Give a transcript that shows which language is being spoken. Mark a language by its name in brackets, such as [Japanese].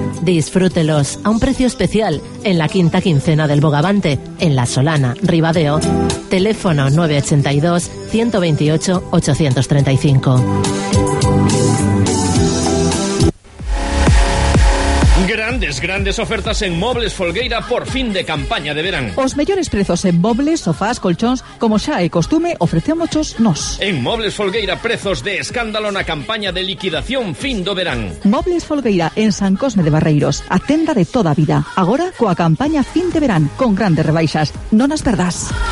[Spanish] Disfrútelos a un precio especial en la quinta quincena del bogavante en La Solana, Ribadeo. Teléfono 982-128-835. Grandes, grandes ofertas en Muebles Folgueira por fin de campaña de verán. [Galician] Os mellores prezos en mobles, sofás, colchóns, como xa é costume, ofrecémochos nós. En Muebles Folgueira, prezos de escándalo na campaña de liquidación fin do verán. Muebles Folgueira en San Cosme de Barreiros, a tenda de toda a vida. Agora coa campaña fin de verán, con grandes rebaixas. Non as perdás.